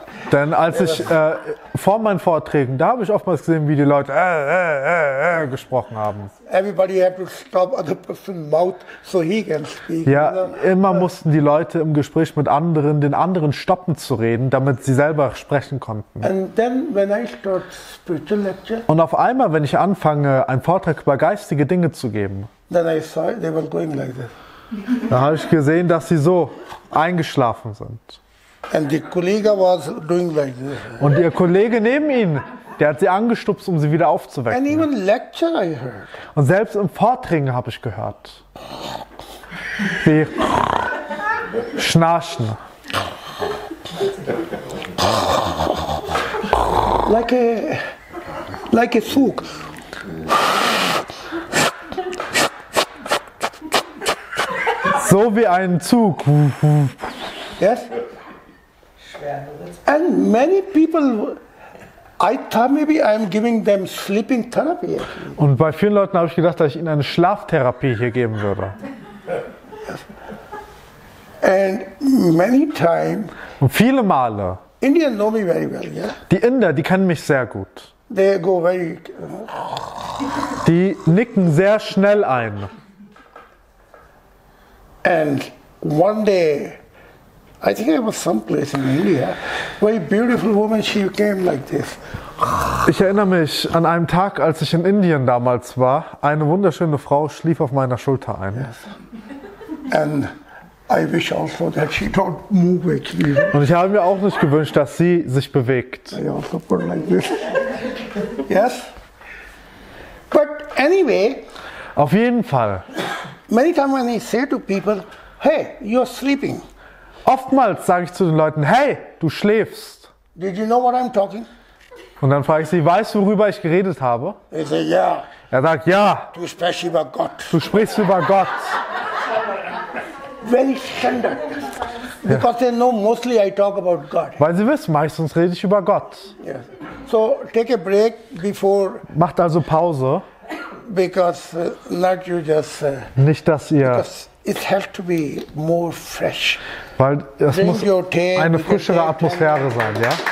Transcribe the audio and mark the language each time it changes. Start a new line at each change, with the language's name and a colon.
German: Denn als ich vor meinen Vorträgen, da habe ich oftmals gesehen, wie die Leute gesprochen haben.
English: Everybody had to stop other person's mouth so he can speak.
German: Ja, immer mussten die Leute im Gespräch mit anderen den anderen stoppen zu reden, damit sie selber sprechen konnten.
English: And then when I start spiritual lecture.
German: Und auf einmal, wenn ich anfange, einen Vortrag über geistige Dinge zu geben.
English: Then I saw they were going like this.
German: Da habe ich gesehen, dass sie so eingeschlafen sind.
English: And the colleague was doing like this.
German: Und ihr Kollege neben ihnen, der hat sie angestupst, um sie wieder aufzuwecken.
English: And even lecture I heard.
German: Und selbst im Vortringen habe ich gehört, wie schnarchen.
English: Like a Zug.
German: So wie ein Zug.
English: Yes. And many people, I thought maybe I'm giving them sleeping therapy.
German: Und bei vielen Leuten habe ich gedacht, dass ich ihnen eine Schlaftherapie hier geben würde.
English: Yes. And many times.
German: Und viele Male.
English: Indians know me very well, yeah.
German: Die Inder, die kennen mich sehr gut.
English: They go very.
German: Die nicken sehr schnell ein.
English: And one day, I think I was someplace in India, very beautiful woman, she came like this.
German: Ich erinnere mich an einen Tag, als ich in Indien damals war, eine wunderschöne Frau schlief auf meiner Schulter ein.
English: Yes. And I wish also that she don't move actually.
German: Und ich habe mir auch nicht gewünscht, dass sie sich bewegt.
English: I also put like this. Yes. But anyway.
German: Auf jeden Fall.
English: Many times when I say to people, hey, you're sleeping.
German: Oftmals sage ich zu den Leuten, hey, du schläfst.
English: Did you know what I'm talking?
German: Und dann frage ich sie, weißt du, worüber ich geredet habe?
English: They say, yeah.
German: Er sagt, ja. Du sprichst über Gott. Du sprichst über Gott.
English: Very standard. Because they know mostly I talk about God.
German: Weil sie wissen, meistens rede ich über Gott.
English: Yes. So take a break before.
German: Macht also Pause.
English: Because not you just.
German: Nicht dass ihr.
English: It has to be more fresh.
German: Weil es muss eine frischere Atmosphäre sein, ja.